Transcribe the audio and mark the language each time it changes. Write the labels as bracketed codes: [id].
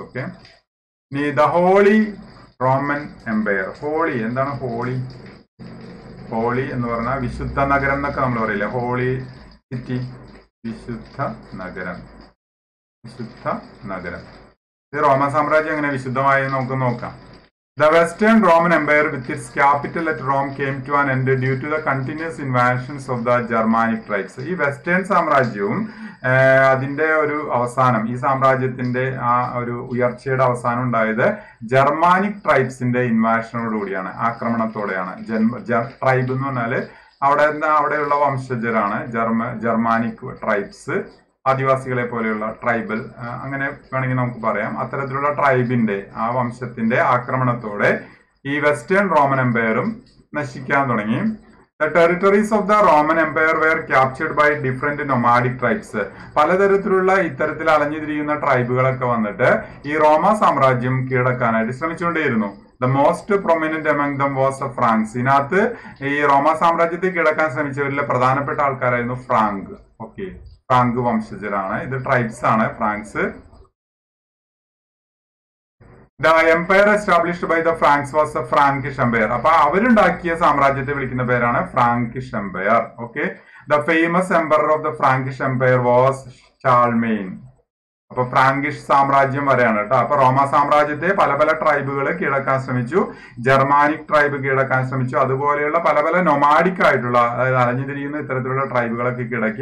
[ml] Okay, ഇനി the holy Roman Empire. Holy എന്താണ്, holy, holy എന്ന് പറഞ്ഞാൽ വിശുദ്ധ നഗരം എന്നൊക്കെ നമ്മൾ പറയില്ലേ, ഹോളി സിറ്റി, വിശുദ്ധ നഗരം, വിശുദ്ധ നഗരം. ഇത് റോമൻ സാമ്രാജ്യം എങ്ങനെ വിശുദ്ധമായി നമുക്ക് നോക്കാം. [en] The Western Roman Empire with its capital at Rome came to an end due to the continuous invasions of the Germanic tribes. [ml] ഈ വെസ്റ്റേൺ സാമ്രാജ്യവും അതിന്റെ ഒരു അവസാനം, ഈ സാമ്രാജ്യത്തിന്റെ ആ ഒരു ഉയർച്ചയുടെ അവസാനം ഉണ്ടായത് ജർമാനിക് ട്രൈബ്സിന്റെ ഇൻവാഷനോടുകൂടിയാണ്, ആക്രമണത്തോടെയാണ്. ട്രൈബ് എന്ന് പറഞ്ഞാല് അവിടെ എന്താ, അവിടെയുള്ള വംശജരാണ്, ജർമാനിക് ട്രൈബ്സ്, ആദിവാസികളെ പോലെയുള്ള ട്രൈബൽ, അങ്ങനെ വേണമെങ്കിൽ നമുക്ക് പറയാം. അത്തരത്തിലുള്ള ട്രൈബിന്റെ ആ വംശത്തിന്റെ ആക്രമണത്തോടെ ഈ വെസ്റ്റേൺ റോമൻ എംപയറും നശിക്കാൻ തുടങ്ങി. The [en] The territories of the Roman Empire were captured by different nomadic tribes. [ml] പലതരത്തിലുള്ള ഇത്തരത്തിൽ അലഞ്ഞുതിരിയുന്ന ട്രൈബുകളൊക്കെ വന്നിട്ട് ഈ റോമ സാമ്രാജ്യം കീഴടക്കാനായിട്ട് ശ്രമിച്ചുകൊണ്ടേയിരുന്നു. [en] The most prominent among them was Franks. [ml] ഇതിനകത്ത് ഈ റോമ സാമ്രാജ്യത്തെ കീഴടക്കാൻ ശ്രമിച്ചവരിൽ പ്രധാനപ്പെട്ട ആൾക്കാരായിരുന്നു ഫ്രാങ്ക്. ഓക്കെ, ഫ്രാങ്ക് വംശജരാണ്, ഇത് ട്രൈബ്സ് ആണ് Franks. [en] The empire established by the Franks was the Frankish Empire. [ml] അപ്പൊ അവരുണ്ടാക്കിയ സാമ്രാജ്യത്തെ വിളിക്കുന്ന പേരാണ് Frankish Empire. [en] Okay, the famous empire of the Frankish empire was Charlemagne. [ml] അപ്പൊ ഫ്രാങ്കിഷ് സാമ്രാജ്യം വരെയാണ് കേട്ടോ. അപ്പൊ റോമ സാമ്രാജ്യത്തെ പല പല ട്രൈബുകൾ കീഴടക്കാൻ ശ്രമിച്ചു, ജർമാനിക് ട്രൈബ് കീഴടക്കാൻ ശ്രമിച്ചു, അതുപോലെയുള്ള പല പല നൊമാഡിക് ആയിട്ടുള്ള, അതായത് അലഞ്ഞുതിരിയുന്ന ഇത്തരത്തിലുള്ള ട്രൈബുകളൊക്കെ കീഴടക്കി.